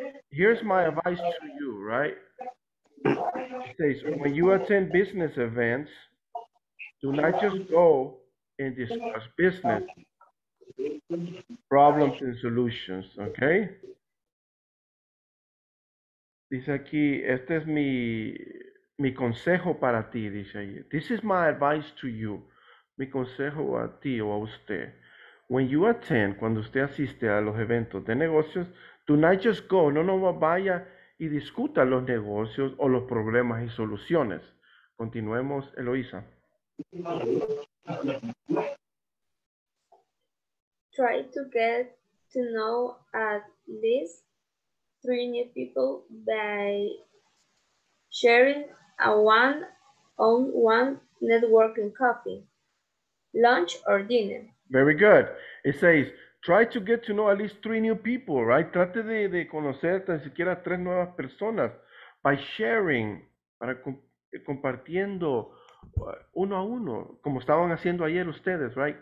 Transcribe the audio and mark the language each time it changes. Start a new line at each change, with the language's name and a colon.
English: Here's my advice to you, right? It says, when you attend business events, do not just go and discuss business problems and solutions, okay?
Spanish: Dice aquí, este es mi consejo para ti, dice ahí.
English: This is my advice to you.
Spanish: Mi consejo a ti o a usted.
English: When you attend,
Spanish: cuando usted asiste a los eventos de negocios,
English: do not just go,
Spanish: no vaya y discuta los negocios o los problemas y soluciones. Continuemos, Eloisa.
English: Try to get to know at least 3 new people by sharing a one-on-one networking coffee, lunch or dinner. Very good. It says, try to get to know at least 3 new people, right?
Spanish: Trate de conocer tan siquiera 3 nuevas personas
English: by sharing,
Spanish: compartiendo uno a uno, como estaban haciendo ayer ustedes, right?